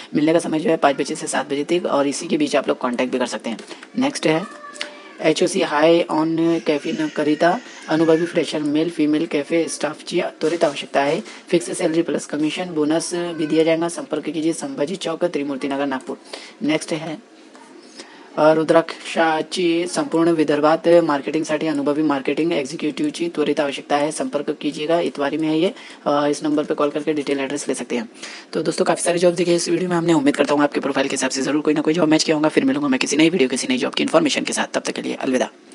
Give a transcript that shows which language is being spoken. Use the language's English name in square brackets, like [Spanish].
[Hindi] मिलने का समय जो है 5 बजे से 7 बजे तक, और इसी के बीच आप लोग कॉन्टैक्ट भी कर सकते हैं. नेक्स्ट है HOC हाई ऑन कैफीन करिता अनुभवी fresher male female cafe staff की त्वरित आवश्यकता है. Fix salary plus commission bonus भी दिया जाएगा. संपर्क कीजिए संभाजी चौक त्रिमूर्ति नगर नागपुर. नेक्स्ट है [Marathi] रुद्राक्षाची संपूर्ण विदर्भात मार्केटिंगसाठी अनुभवी मार्केटिंग एक्झिक्युटिवची त्वरित आवश्यकता आहे. [Hindi] संपर्क कीजिएगा इतवारी में है ये, इस नंबर पे कॉल करके डिटेल एड्रेस ले सकते हैं. तो दोस्तों काफी सारे जॉब दिखे इस वीडियो में, हमने उम्मीद करता हूँ आपके प्रोफाइल के हिसाब से जरूर कोई ना कोई जॉब मैच किया होगा. फिर मिलूंगा मैं किसी नई वीडियो किसी नई जॉब की इन्फॉर्मेशन के साथ. तब तक के लिए अलविदा.